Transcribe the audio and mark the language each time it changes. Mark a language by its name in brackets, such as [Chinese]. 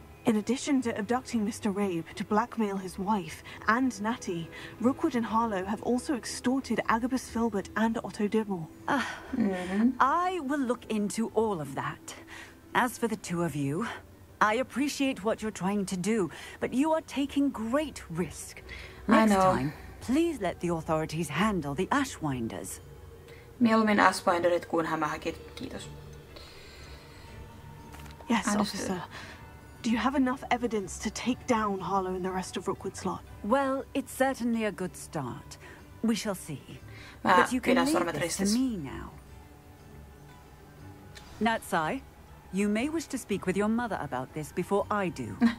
[English] In addition to abducting Mr. Rabe to blackmail his wife and Natty, Rookwood and Harlow have also extorted Agabus Filbert and Otto Dibble. I will look into all of that. As for the two of you, I appreciate what you're trying to do, but you are taking great risk. Next time, please let the authorities handle the Ashwinders. [Finnish] Mieluummin Ashwinderit kuin hämähäkit. Kiitos. [English] Yes, officer. Do you have enough evidence to take down Harlow and the rest of Rookwood's lot? Well, it's certainly a good start. We shall see. But you can leave this to me now. Natsai, you may wish to speak with your mother about this before I do.